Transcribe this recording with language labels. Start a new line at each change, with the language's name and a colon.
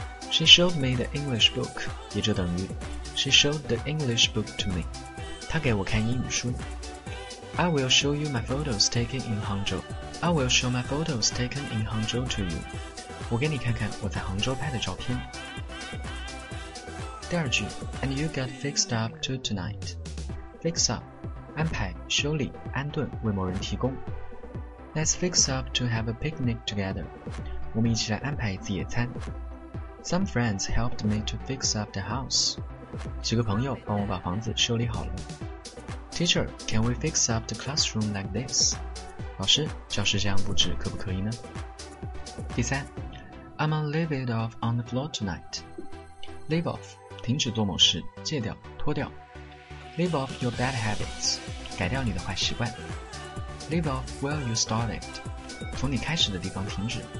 English: She showed me the English book， 也就等于 She showed the English book to me，
Chinese: 她给我看英语书。
English: I will show you my photos taken in Hangzhou. I will show my photos taken in Hangzhou to you.
Chinese: 我给你看看我在杭州拍的照片。第二句
English: And you got fixed up to tonight.
Chinese: Fix up 安排、修理、安顿、为某人提供。
English: Let's fix up to have a picnic together.
Chinese: 我们一起来安排一次野餐。
English: Some friends helped me to fix up the house.
Chinese: 几个朋友帮我把房子修理好了。
English: Teacher, can we fix up the classroom like this?
Chinese: 老师，教室这样布置可不可以呢？第三
English: I'm gonna leave it off on the floor tonight.
Chinese: Leave off, 停止做某事，戒掉，脱掉。
English: Leave off your bad habits,
Chinese: 改掉你的坏习惯。
English: Leave off where you started,
Chinese: 从你开始的地方停止。